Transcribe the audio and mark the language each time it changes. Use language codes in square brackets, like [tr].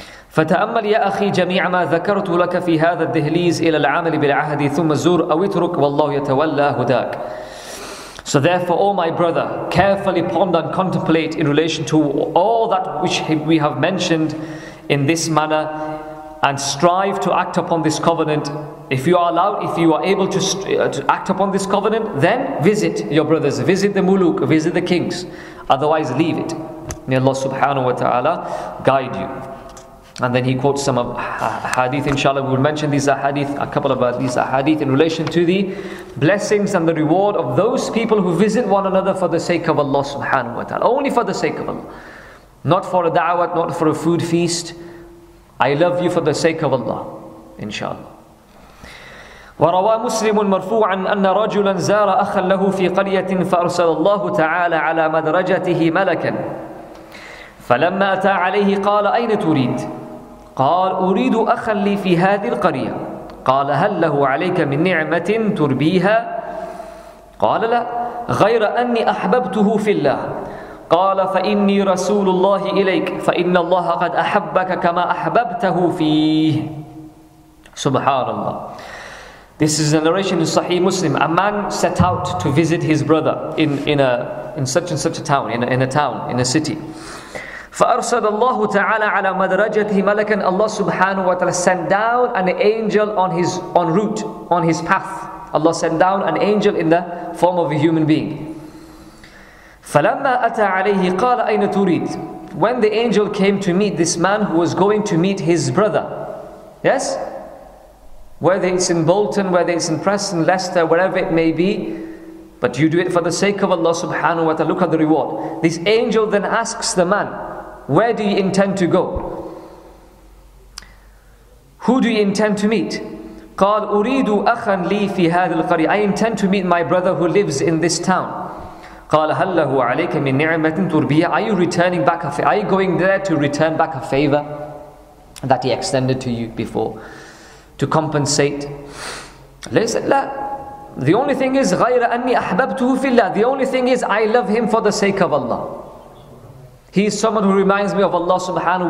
[ar] فتأمل يا أخي جميع ما ذكرت لك في هذا الدهليز إلى العمل بالعهد ثم زور أو اترك والله يتولى هداك. [en] So therefore, O my brother, carefully ponder and contemplate in relation to all that which we have mentioned in this manner, and strive to act upon this covenant. If you are allowed, if you are able to act upon this covenant, then visit your brothers, visit the muluk, visit the kings. Otherwise, leave it. May Allah subhanahu wa ta'ala guide you. And then he quotes some of hadith, inshallah. We will mention these hadith, a couple of these hadith in relation to the blessings and the reward of those people who visit one another for the sake of Allah subhanahu wa ta'ala. Only for the sake of Allah. Not for a da'wat, not for a food feast. I love you for the sake of Allah, inshallah. [ar] وروى مسلم مرفوعا أن رجلا زار أخا له في قرية فأرسل الله تعالى على مدرجته ملكا فلما أتى عليه قال أين تريد؟ قال أريد أخا لي في هذه القرية. قال هل له عليك من نعمة تربيها؟ قال لا غير أني أحببته في الله. قال فإني رسول الله إليك فإن الله قد أحبك كما أحببته فيه. سبحان الله. [en] This is a narration in Sahih Muslim. A man set out to visit his brother in such a town, in a city. [ar] فَأَرْسَدَ اللَّهُ تَعَالَى عَلَى مَدْرَجَتِهِ مَلَكًا. [en] Allah subhanahu wa ta'ala sent down an angel on his path. Allah sent down an angel in the form of a human being. [ar] فَلَمَّا أَتَى عَلَيْهِ قَالَ أَيْنَ تُرِيدُ. [en] When the angel came to meet this man who was going to meet his brother. Yes? Whether it's in Bolton, whether it's in Preston, Leicester, wherever it may be, but you do it for the sake of Allah subhanahu wa ta'ala, look at the reward. This angel then asks the man, where do you intend to go? Who do you intend to meet? [ar] قال أريد أخا لي في هذه القرية. [en] I intend to meet my brother who lives in this town. قال هل له عليك من نعمة تربية. Are you returning back? Are you going there to return back a favor that he extended to you before? To compensate. The only thing is, [ar] غير أني أحببته في الله. [en] The only thing is, I love him for the sake of Allah. He is someone who reminds me of Allah subhanahu.